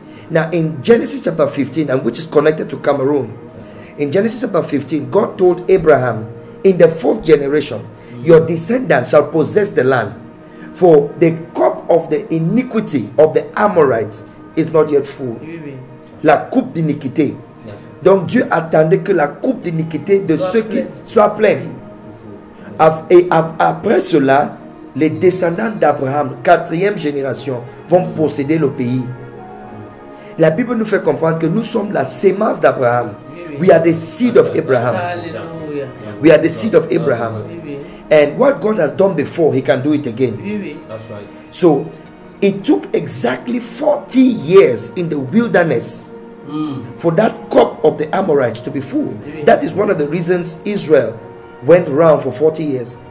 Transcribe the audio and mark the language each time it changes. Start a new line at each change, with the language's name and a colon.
English: Now in Genesis chapter 15, and which is connected to Cameroon, in Genesis chapter 15, God told Abraham, in the fourth generation, your descendants shall possess the land. For the cup of the iniquity of the Amorites is not yet full.
French: La coupe d'iniquité. Donc Dieu attendait que la coupe d'iniquité de ceux qui soit pleine. Et après cela, les descendants d'Abraham, quatrième génération, vont posséder le pays. La Bible nous fait comprendre que nous sommes la semence d'Abraham.
English: We are the seed of Abraham. We are the seed of Abraham. And what God has done before, he can do it again. That's right. So, it took exactly 40 years in the wilderness for that cup of the Amorites to be full. That is one of the reasons Israel went around for 40 years.